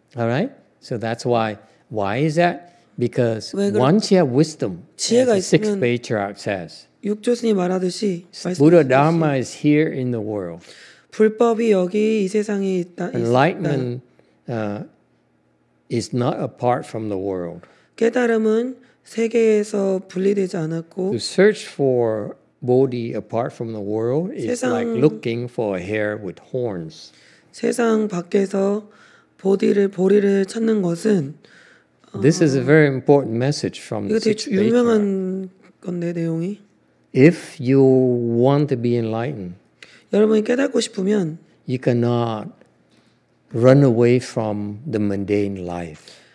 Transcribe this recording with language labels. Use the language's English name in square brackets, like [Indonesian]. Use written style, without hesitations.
[English] All right. So that's why. Why is that? Because once you have wisdom, as the sixth patriarch says, [Korean] 육조스님이 말하듯이, [English] Buddha Dharma is here in the world. [Korean] 불법이 여기 이 세상에 있다. [English] Enlightenment is not apart from the world. [Korean] 깨달음은 세계에서 분리되지 않았고. [English] To search for Bodhi apart from the world is like looking for a hare with horns. [Korean] 세상 밖에서 보리를 찾는 것은 [English] This is a very important message from the sixth patriarch. [Korean] 이게 되게 유명한 건데 내용이. [English] If you want to be enlightened. [Korean] 여러분이 깨닫고 싶으면 [English] you cannot run away from the mundane life.